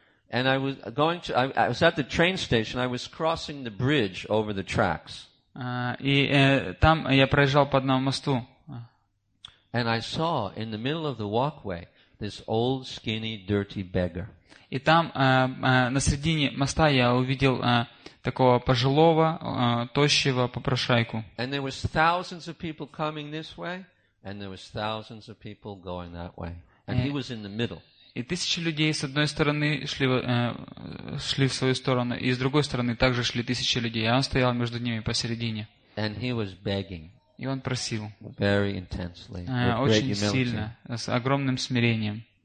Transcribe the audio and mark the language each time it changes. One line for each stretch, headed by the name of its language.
English: And I was going to I was at the train station. I was crossing the bridge over the tracks.
Russian: Там я проезжал по одному мосту.
English: And I saw in the middle of the walkway this old skinny dirty beggar.
Russian: И там на середине моста я увидел такого пожилого, тощего попрошайку.
English: And there was thousands of people coming this way and there was thousands of people going that way. And he was in the middle.
Russian: И тысячи людей с одной стороны шли в свою сторону, и с другой стороны также шли тысячи людей. Я стоял между ними посередине.
English: And he was begging.
Russian: И он просил.
English: Very intensely.
Russian: Очень сильно, с огромным смирением.